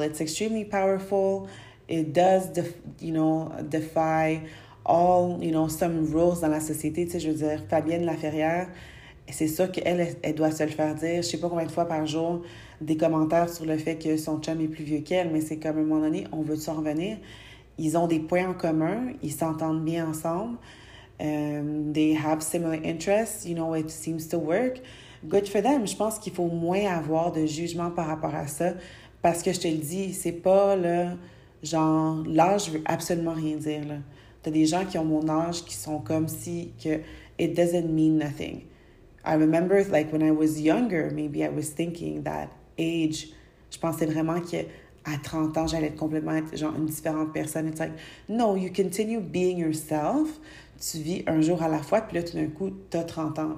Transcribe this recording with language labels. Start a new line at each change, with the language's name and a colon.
English: It's extremely powerful. It does, defy all, some rules
French: dans la société. Tu sais, je veux dire, Fabienne Laferrière, c'est sûr qu'elle doit se le faire dire, je ne sais pas combien de fois par jour, des commentaires sur le fait que son chum est plus vieux qu'elle, mais c'est comme à un moment donné, on veut s'en revenir. Ils ont des points en commun, ils s'entendent bien ensemble.
English: They have similar interests, it seems to work. Good for them.
French: Je pense qu'il faut moins avoir de jugement par rapport à ça. Parce que je te le dis, c'est pas là, genre, là, je veux absolument rien dire, là. T'as des gens qui ont mon âge qui sont comme si que
English: it doesn't mean nothing. I remember, like, when I was younger, maybe I was thinking that age,
French: je pensais vraiment que. À 30 ans, j'allais être complètement être, genre, une différente personne.
English: It's like, no, you continue being yourself.
French: Tu vis un jour à la fois, puis là, tout d'un coup, t'as 30 ans.